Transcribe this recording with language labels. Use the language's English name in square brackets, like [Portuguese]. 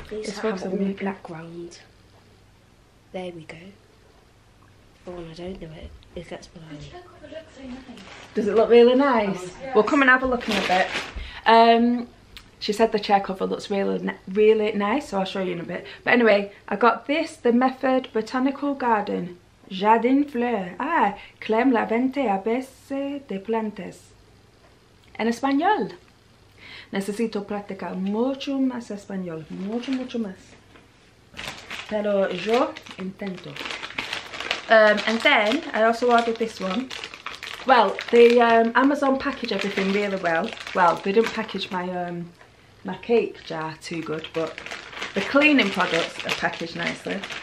[English] This has a black background. There we go. Oh, I don't know it. it gets blown. The chair cover looks so nice. Does it look really nice? Yes. We'll come and have a look in a bit. She said the chair cover looks really nice, so I'll show you in a bit. But anyway, I got this, the Method Botanical Garden. Jardin Fleur. [Spanish] Ah, Clem la Vente a veces de plantas. En español. Necesito practicar mucho más español. Mucho, mucho más. Pero yo intento. [English] And then, I also ordered this one. Well, the Amazon package everything really well. Well, they didn't package my cake jar too good, but the cleaning products are packaged nicely.